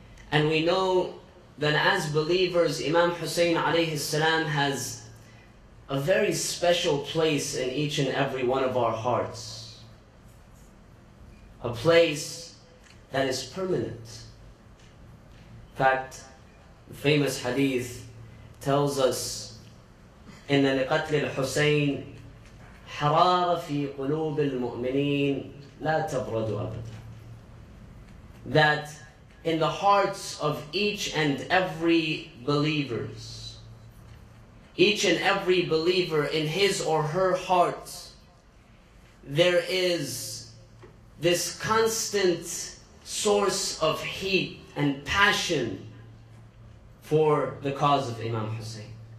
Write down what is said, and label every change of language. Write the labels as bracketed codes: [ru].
[en] And we know that as believers, Imam Hussein alayhi salam has a very special place in each and every one of our hearts. A place that is permanent. In fact, the famous hadith tells us, [ar] إِنَّ لِقَتْلِ الْحُسَيْنِ حَرَارَ فِي قُلُوبِ الْمُؤْمِنِينَ لَا تَبْرَدُ أَبَدًا. [en] That in the hearts of each and every believers, each and every believer in his or her heart, there is this constant source of heat and passion for the cause of Imam Hussein.